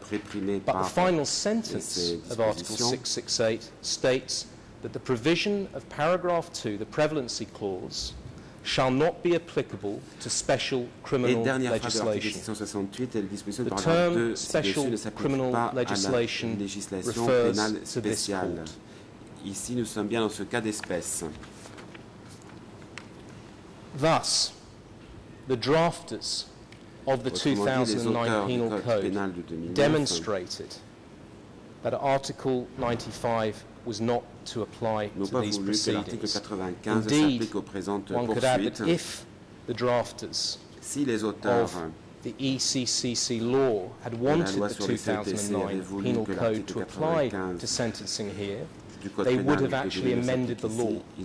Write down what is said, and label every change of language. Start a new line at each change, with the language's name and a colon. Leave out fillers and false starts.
English: But the final sentence of Article 668 states that the provision of Paragraph 2, the prevalency clause, shall not be applicable to special criminal legislation. The term special criminal legislation refers to this court.
French: Ici, nous sommes bien dans ce cas d'espèce.
English: Thus, the drafters of the 2009 Penal Code demonstrated that Article 95 was not to apply to these proceedings. Indeed, one could add that if the drafters of the ECCC law had wanted the 2009 Penal Code to apply to sentencing here, they would have actually amended the law.